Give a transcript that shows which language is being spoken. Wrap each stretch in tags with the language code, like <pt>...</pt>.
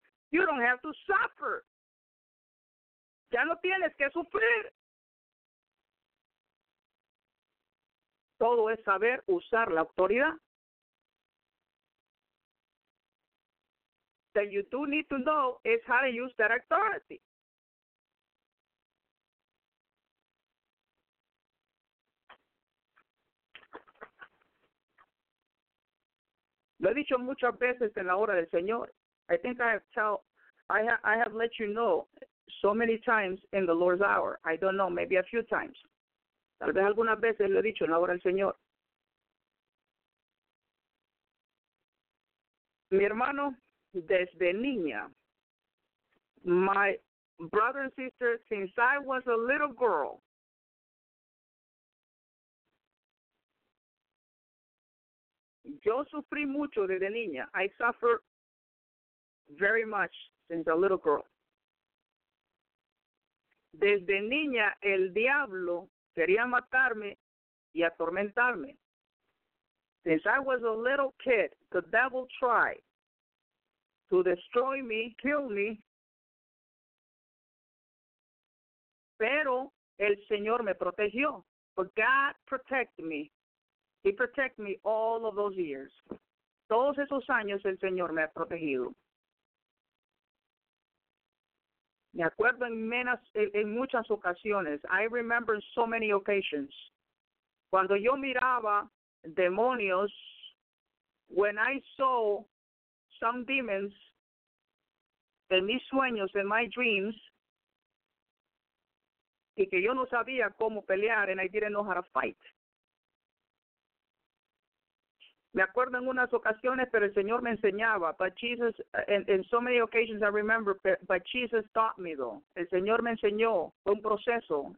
<en>You don't have to suffer.</en> <es>Ya no tienes que sufrir. Todo es saber usar la autoridad.</es> <en>Then you do need to know is how to use that authority.</en> <es>Lo he dicho muchas veces en la hora del Señor.</es> <en>I think I have let you know so many times in the Lord's hour. I don't know, maybe a few times.</en> <es>Tal vez algunas veces lo he dicho en la hora del Señor. Mi hermano, desde niña,</es> <en>my brother and sister, since I was a little girl,</en> <es>yo sufrí mucho desde niña.</es> <en>I suffered very much since a little girl.</en> <es>Desde niña, el diablo quería matarme y atormentarme.</es> <en>Since I was a little kid, the devil tried to destroy me, kill me.</en> <es>Pero el Señor me protegió.</es> <en>But God protected me. He protected me all of those years.</en> <es>Todos esos años el Señor me ha protegido. Me acuerdo en muchas ocasiones.</es> <en>I remember so many occasions.</en> <es>Cuando yo miraba demonios,</es> <en>when I saw some demons</en> <es>en mis sueños,</es> <en>in my dreams,</en> <es>y que yo no sabía cómo pelear,</es> <en>and I didn't know how to fight.</en> <es>Me acuerdo en unas ocasiones, pero el Señor me enseñaba.</es> <en>But Jesus, in so many occasions I remember, but Jesus taught me though.</en> <es>El Señor me enseñó, fue un proceso.</es>